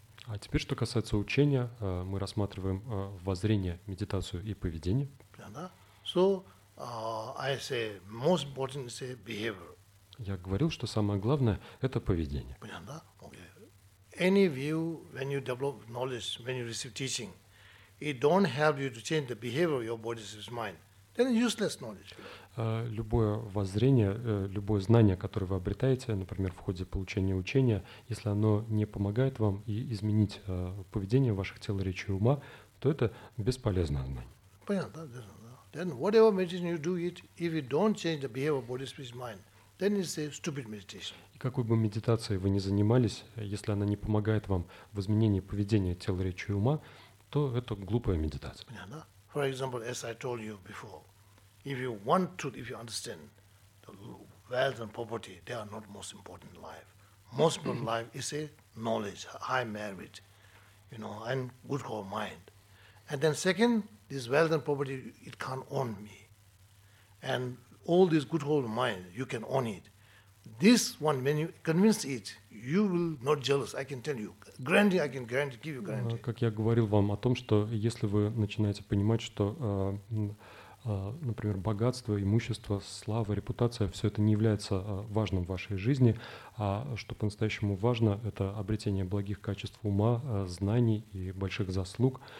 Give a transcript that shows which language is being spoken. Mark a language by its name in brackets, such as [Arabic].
[Russian] А теперь, что касается учения, мы рассматриваем воззрение, медитацию и поведение. [English] So, I say most important is behavior. [Russian] Я говорил, что самое главное — это поведение. Понятно? Okay. [English] Any view, when you develop knowledge, when you receive teaching, it don't help you to change the behavior of your body's mind. Then useless knowledge. [Russian] Любое воззрение, любое знание, которое вы обретаете, например, в ходе получения учения, если оно не помогает вам изменить поведение ваших тел, речи и ума, то это бесполезное знание. Понятно, да? [English] Then whatever meditation you do, it, if you don't change the behavior of body, speech, mind, then it's a stupid meditation. [Russian] И какой бы медитацией вы ни занимались, если она не помогает вам в изменении поведения тела, речи и ума, то это глупая медитация. Понятно? [English] For example, as I told you before, if you want to, if you understand the wealth and poverty, they are not most important in life. Most important life is a knowledge, high merit, you know, and good core mind. And then second, this wealth and poverty, it can't own me. And all this good core mind, you can own it. This one, when you convince it, you will not jealous, I can tell you. Granted, I can guarantee, give you guarantee. [Russian] Как я говорил вам о том, что если вы начинаете понимать, что, например, богатство, имущество, слава, репутация, все это не является важным в вашей жизни, а что по-настоящему важно, это обретение благих качеств ума, знаний и больших заслуг.